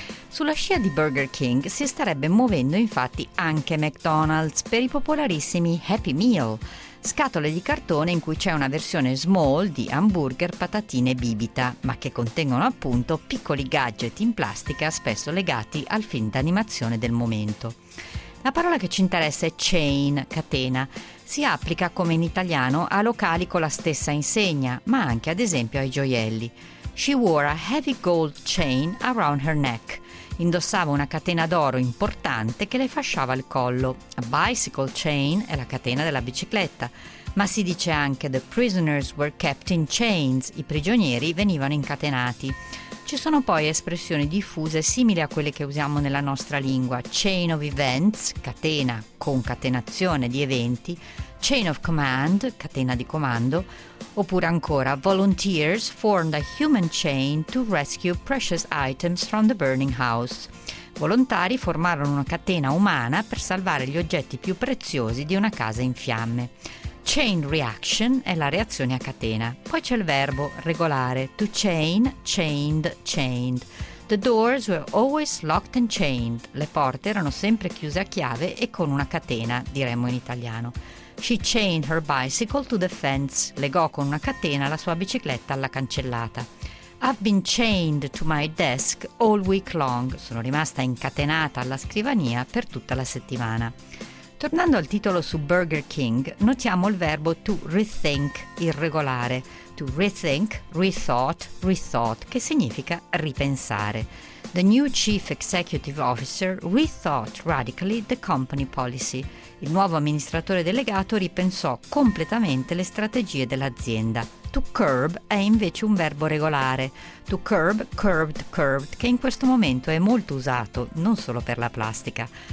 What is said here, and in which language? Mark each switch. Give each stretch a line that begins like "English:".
Italian: Sulla scia di Burger King si starebbe muovendo infatti anche McDonald's per i popolarissimi Happy Meal, scatole di cartone in cui c'è una versione small di hamburger, patatine e bibita, ma che contengono appunto piccoli gadget in plastica spesso legati al film d'animazione del momento. La parola che ci interessa è chain, catena. Si applica, come in italiano, a locali con la stessa insegna, ma anche ad esempio ai gioielli.
English: She wore a heavy gold chain around her neck.
Italian: Indossava una catena d'oro importante che le fasciava il collo.
English: A bicycle chain
Italian: è la catena della bicicletta, ma si dice anche
English: the prisoners were kept in chains,
Italian: i prigionieri venivano incatenati. Ci sono poi espressioni diffuse simili a quelle che usiamo nella nostra lingua:
English: chain of events,
Italian: catena, concatenazione di eventi;
English: chain of command,
Italian: catena di comando; oppure ancora
English: volunteers formed a human chain to rescue precious items from the burning house.
Italian: Volontari formarono una catena umana per salvare gli oggetti più preziosi di una casa in fiamme. Chain reaction è la reazione a catena. Poi c'è il verbo regolare,
English: to chain, chained, chained. The doors were always locked and chained.
Italian: Le porte erano sempre chiuse a chiave e con una catena, diremmo in italiano.
English: She chained her bicycle to the fence.
Italian: Legò con una catena la sua bicicletta alla cancellata.
English: I've been chained to my desk all week long.
Italian: Sono rimasta incatenata alla scrivania per tutta la settimana. Tornando al titolo su Burger King, notiamo il verbo to rethink, irregolare.
English: To rethink, rethought, rethought,
Italian: che significa ripensare.
English: The new chief executive officer rethought radically the company policy.
Italian: Il nuovo amministratore delegato ripensò completamente le strategie dell'azienda. To curb è invece un verbo regolare.
English: To curb, curbed, curbed,
Italian: che in questo momento è molto usato, non solo per la plastica.